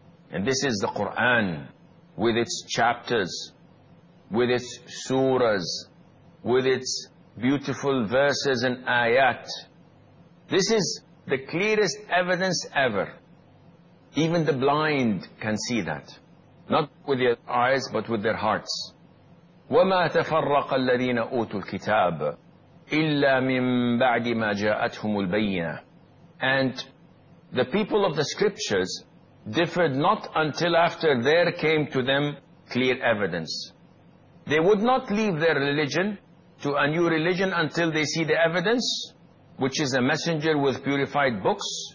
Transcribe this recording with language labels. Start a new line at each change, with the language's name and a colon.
English: And this is the Qur'an, with its chapters, with its surahs, with its beautiful verses and ayat. This is the clearest evidence ever. Even the blind can see that. Not with their eyes, but with their hearts.
Arabic: وما تفرق الذين أوتوا الكتاب إلا من بعد ما جاءتهم البينة.
English: And the people of the scriptures differed not until after there came to them clear evidence. They would not leave their religion to a new religion until they see the evidence, which is a messenger with purified books.